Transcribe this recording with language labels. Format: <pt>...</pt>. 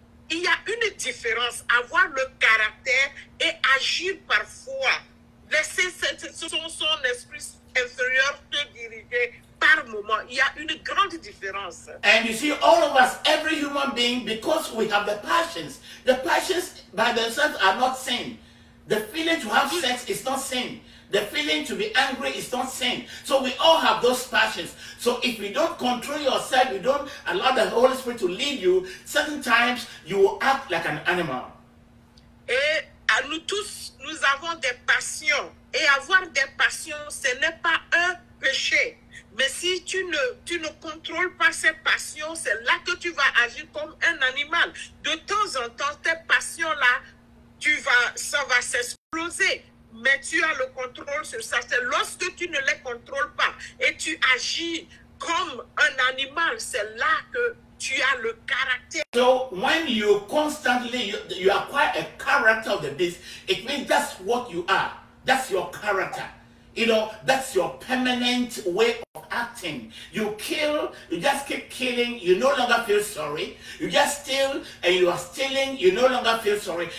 <fr>Il y a une différence, avoir le caractère et agir parfois, laisser son esprit inférieur te diriger par moment. Il y a une grande différence.</fr> <en>And you see, all of us, every human being, because we have the passions by themselves are not sin. The feeling to have sex is not sin. The feeling to be angry is not sin. So we all have those passions. So if you don't control yourself, you don't allow the Holy Spirit to lead you, certain times you will act like an animal.</en> <fr>Et à nous tous, nous avons des passions. Et avoir des passions, ce n'est pas un péché. Mais si tu ne contrôles pas ces passions, c'est là que tu vas agir comme un animal. De temps en temps, tes passions-là, ça va s'exploser. Mais tu as le contrôle sur ça. C'est lorsque tu ne les contrôles pas et tu agis comme un animal, c'est là que tu as le caractère.</fr> <en>So when you constantly you acquire a character of the beast, it means that's what you are. That's your character. You know, that's your permanent way of acting. You kill, you just keep killing, you no longer feel sorry. You just steal and you are stealing, you no longer feel sorry.</en>